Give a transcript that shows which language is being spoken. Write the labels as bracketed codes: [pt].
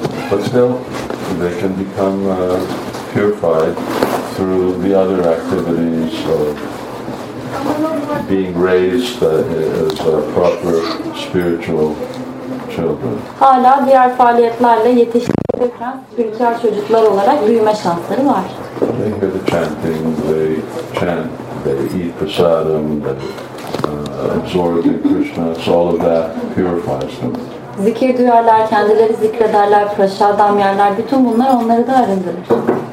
[en] But still, they can become purified through the other activities of being raised as proper spiritual children. [tr] Hala diğer faaliyetlerle yetiştirilirken spiritüel çocuklar olarak büyüme şansları var. [en] They hear the chanting, they chant, they eat prasadam, they absorb in Krishna, so all of that purifies them. [tr] Zikir duyarlar, kendileri zikrederler, prasadam yerler, bütün bunlar onları da arındırır.